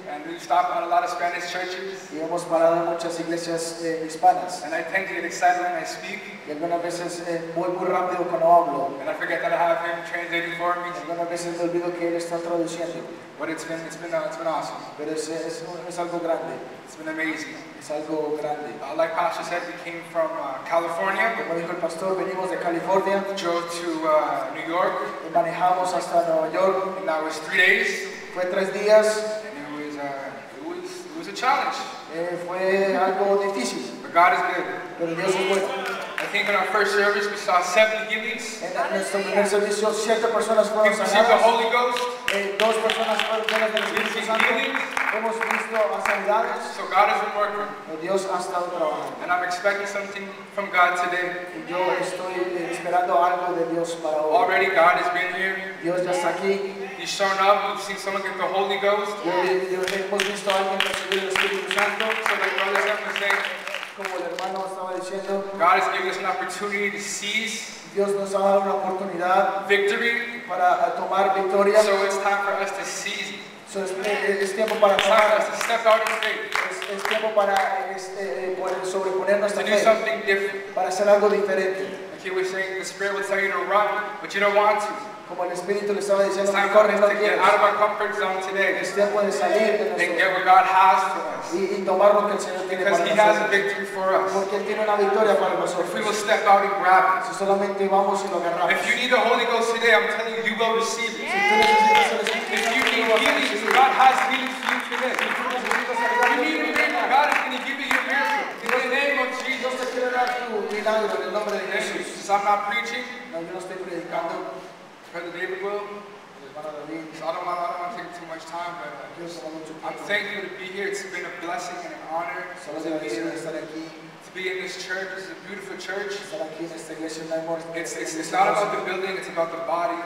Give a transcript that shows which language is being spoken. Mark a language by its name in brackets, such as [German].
[English] And we've stopped at a lot of Spanish churches. [Spanish] Y hemos parado en muchas iglesias hispanas. [English] And I tend to get excited when I speak. [Spanish] Y algunas veces voy muy rápido cuando hablo. [English] And I forget that I have him translating for me. [Spanish] Algunas veces me olvido que él está traduciendo. [English] But it's been awesome. [Spanish] Pero es algo grande. [English] It's been amazing. [Spanish] Es algo grande. [English] Like Pastor said, we came from California. [Spanish] Como dijo el pastor, venimos de California. [English] Drove to New York. [Spanish] Y manejamos hasta Nueva York. [English] And that was 3 days. [Spanish] Fue 3 días. [English] And it was a challenge. [Spanish] Fue algo difícil. [English] But God is good. [Spanish] Pero Dios es bueno. [English] I think in our first service we saw 70 healings. [Spanish] En nuestro primer servicio siete personas fueron sanadas. [English] The Holy Ghost. [Spanish] Dos personas fueron llenas del Hemos visto a sanidades. [English] So God is at work. [Spanish] Dios ha estado trabajando. [English] And I'm expecting something from God today. [Spanish] Yo estoy esperando algo de Dios para hoy. [English] Already God has been here. [Spanish] Dios ya está aquí. [English] He's shown up. We've seen someone get the Holy Ghost. [Spanish] Hemos visto a alguien recibir el Espíritu Santo. [English] So like brother Stephen said. [Spanish] Como el hermano estaba diciendo, [English] God has given us an opportunity to seize. [Spanish] Dios nos ha dado una oportunidad, [English] victory, [Spanish] para tomar victoria. [English] So it's time for us to seize. [Spanish] So es tiempo para tomar. [English] It's time for us to step out in faith. [Spanish] Es tiempo para sobreponer nuestra fe. [English] To do something different. [Spanish] Para hacer algo diferente. [English] Like he was saying, the Spirit will tell you to run, but you don't want to. [Spanish] Como el Espíritu le estaba diciendo, no corres, no quieres. [English] Get out of our comfort zone today. [Spanish] Es tiempo de salir de nosotros. [English] And get what God has for us. [Spanish] Y tomar lo que el Señor tiene [English] because [Spanish] para nosotros. [English] He has a victory for us. [Spanish] Porque Él tiene una victoria para nosotros. [English] If we will step out and grab it. [Spanish] Si solamente vamos y lo agarramos. [English] If you need the Holy Ghost today, I'm telling you, you will receive it. [Spanish] Si tú necesitas el Espíritu, [English] if you need healing, God has healing for you today. [Spanish] Si tú [English] you need healing, God is going to give you your miracle. In the name of Jesus. [Spanish] Dios te quiere dar tu milagro en el nombre de Jesús. [English] Since I'm not preaching, [Spanish] no, yo no estoy predicando. [English] Brother David will. So I don't want to take too much time, but I'm thankful to be here. It's been a blessing and an honor to be in this church. It's a beautiful church. It's not about the building, it's about the body.